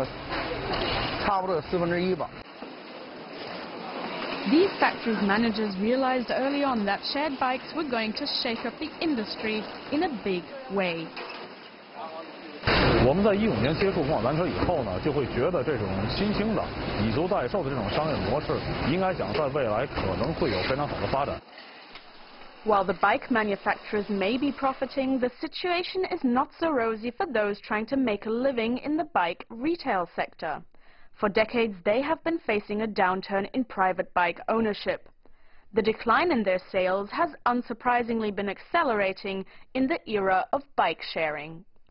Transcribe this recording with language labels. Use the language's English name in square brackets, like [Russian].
[Chinese] 要提高了将近差不多1/4吧。 [English] These factories' managers realized early on that shared bikes were going to shake up the industry in a big way. [Chinese] 我们在2015年接触共享单车以后呢，就会觉得这种新兴的以租代售的这种商业模式，应该讲在未来可能会有非常好的发展。While [English] the bike manufacturers may be profiting, the situation is not so rosy for those trying to make a living in the bike retail sector. For decades, they have been facing a downturn in private bike ownership. The decline in their sales has unsurprisingly been accelerating in the era of bike sharing.